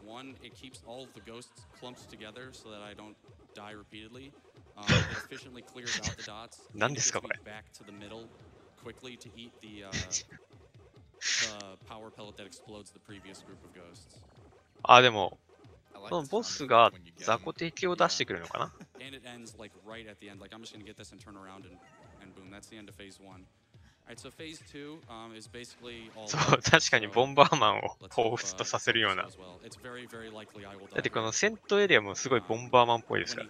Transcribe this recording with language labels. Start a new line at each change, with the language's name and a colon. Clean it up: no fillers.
English: One, it keeps all of the ghosts clumped together so that I don't die repeatedly. It efficiently clears out the dots. And it gets me back to the middle quickly to eat the power pellet that explodes the previous group of ghosts.
Japanese: あ、でも、このボスが雑魚敵を出してくるのかな?
English: And it ends like right at the end. Like I'm just gonna get this and turn around and boom, that's the end of phase one.
Japanese: そう、確かにボンバーマンを彷彿とさせるような。だってこの戦闘エリアもすごいボンバーマンっぽいですから